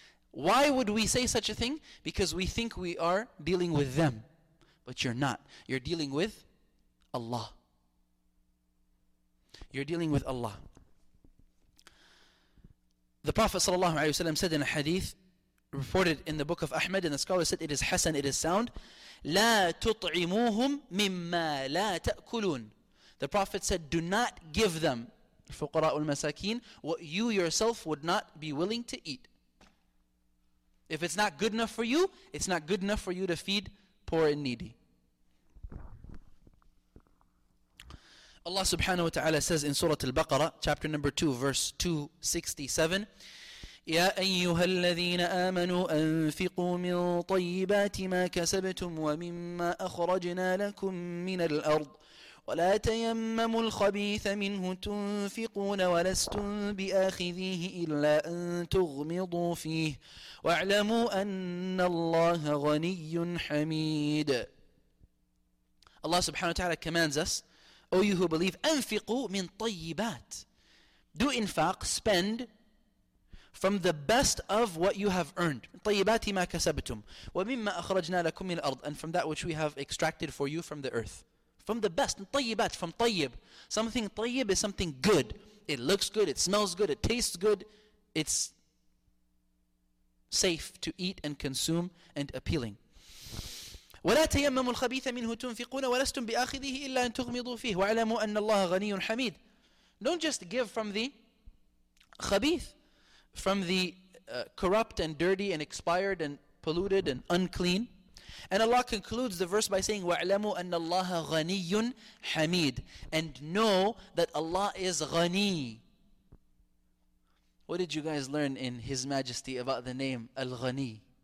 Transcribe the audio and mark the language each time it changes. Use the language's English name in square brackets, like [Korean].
[English] Why would we say such a thing? Because we think we are dealing with them. But you're not. You're dealing with Allah. You're dealing with Allah. The Prophet sallallahu alaihi wasallam said in a hadith reported in the book of Ahmed, and the scholar said it is hasan, it is sound. [Arabic] لا تطعموهم مما لا تأكلون. [English] The Prophet said, do not give them, [Arabic] الفقراء والمساكين, [English] what you yourself would not be willing to eat. If it's not good enough for you, it's not good enough for you to feed poor and needy. Allah subhanahu wa ta'ala says in Surah Al-Baqarah, chapter number 2, verse 267, [Arabic] يا أيها الذين آمنوا أنفقوا من طيبات ما كسبتم ومما أخرجنا لكم من الأرض ولا تيمموا الخبيث منه تنفقون ولستم بآخذيه إلا أن تغمضوا فيه واعلموا أن الله غني حميد. [English] Allah subhanahu wa ta'ala commands us, O you who believe, [Arabic] أنفقوا من طيبات. [English] Do infaq, spend from the best of what you have earned. [Arabic] طيباتي ما كسبتم ومما أخرجنا لكم من الأرض, [English] and from that which we have extracted for you from the earth. From the best, طيبات, from طيب. Something طيب is something good. It looks good, it smells good, it tastes good. It's safe to eat and consume and appealing. [Arabic] ولا تيمموا الخبيث منه تنفقون ولستم بآخذه إلا أن تغمضوا فيه واعلموا أن الله غني حميد. [English] Don't just give from the خبيث, from the corrupt and dirty and expired and polluted and unclean. And Allah concludes the verse by saying, [Arabic] وَاعْلَمُوا أَنَّ اللَّهَ غَنِيٌّ حَمِيدٌ. [English] And know that Allah is غَنِي. What did you guys learn in His Majesty about the name Al-Ghani?